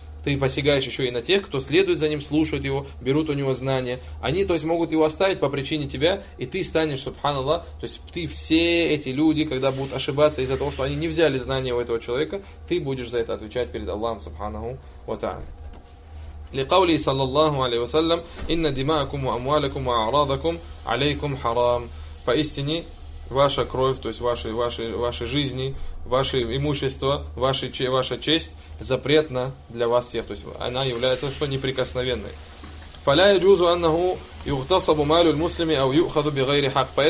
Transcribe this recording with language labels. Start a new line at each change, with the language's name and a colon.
Russian: Ты посягаешь еще и на тех, кто следует за ним, слушают его, берут у него знания. Они, то есть, могут его оставить по причине тебя, и ты станешь, субханаллах, то есть, ты все эти люди, когда будут ошибаться из-за того, что они не взяли знания у этого человека, ты будешь за это отвечать перед Аллахом, субханаху ва тааля.
Arabic: لقوله صلى الله عليه وسلم إن دماءكم وأموالكم وأعراضكم عليكم حرام.
Russian: Поистине, ваша кровь, то есть ваши жизни, ваше имущество, ваша честь запретна для вас всех. То есть она является что неприкосновенной.
Arabic: فَلَا يَجُوزُ أَنَّهُ يُغْتَصَبُ مَالُ الْمُسْلِمِ أَوْ يُؤْخَذُ بِغَيْرِ حَقٍ.